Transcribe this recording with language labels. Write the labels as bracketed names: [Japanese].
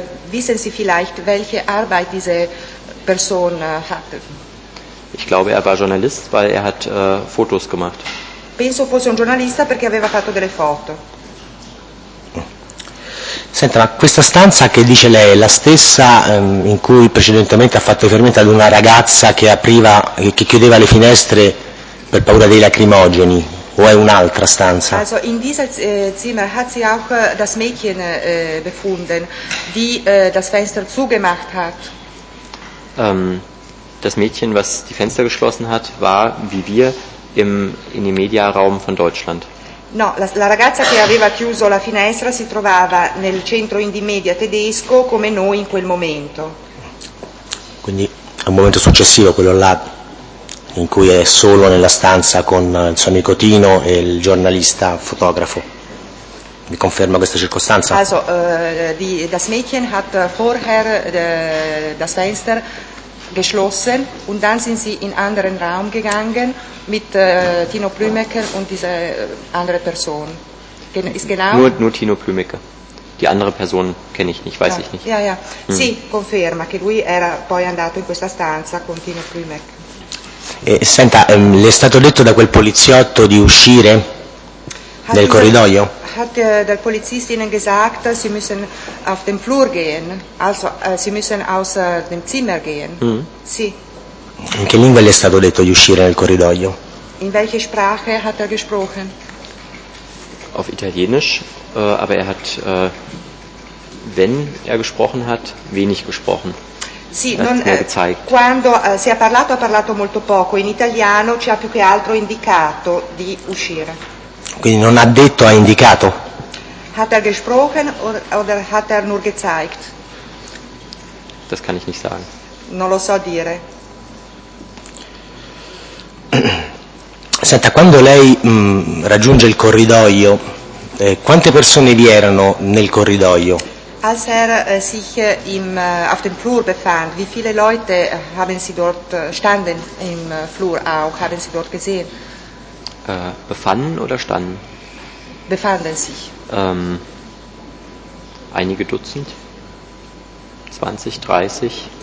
[German] Wissen Sie vielleicht, welche Arbeit diese Person hatte? Ich glaube, er war Journalist, weil er hat Fotos gemacht. [Italian] Penso fosse un giornalista perché aveva fatto delle foto. Senta, ma questa stanza che dice lei è la stessa in cui precedentemente ha fatto riferimento ad una ragazza che apriva, che chiudeva le finestre per paura dei lacrimogeni, o è un'altra stanza? [German] Also in dieser Zimmer hat sie auch das Mädchen befunden, die das Fenster zugemacht hat. Das Mädchen, was die Fenster geschlossen hat, war, wie wir, in dem Mediaraum von Deutschland. [Italian] No, la ragazza che aveva chiuso la finestra si trovava nel centro indie media tedesco come noi in quel momento. Quindi è un momento successivo quello là in cui è solo nella stanza con il suo amico Tino e il giornalista fotografo. Mi conferma questa circostanza? [German] Also, das Mädchen hat vorher das Fenster geschlossen und dann sind sie in anderen Raum gegangen mit Tino Plümecke und dieser andere Person. Nur Tino Plümecke. Die andere Person kenne ich nicht, weiß ich nicht. Ja, ja. [Italian] Sì, conferma che lui era poi andato in questa stanza con Tino Plümecke. Senta, le è stato detto da quel poliziotto di uscire nel corridoio? [German] Hat der Polizist Ihnen gesagt, Sie müssen auf den Flur gehen, also Sie müssen aus dem Zimmer gehen? Mm. [Italian] Sì. In che lingua le è stato detto di uscire nel corridoio? [German] In welche Sprache hat gesprochen? Auf Italienisch, aber er hat, wenn gesprochen hat, wenig gesprochen. [Italian] Sì, non, quando si è parlato, ha parlato molto poco. In italiano ci ha più che altro indicato di uscire. Quindi non ha detto, ha indicato. [German] Hat gesprochen oder hat nur gezeigt? Das kann ich nicht sagen. [Italian] Non lo so dire. Senta, quando lei raggiunge il corridoio, quante persone vi erano nel corridoio? [German] Als sich auf dem Flur befand, wie viele Leute haben Sie dort standen im Flur auch, haben Sie dort gesehen? Befanden oder standen? Befanden sich. Einige Dutzend. 20, 30.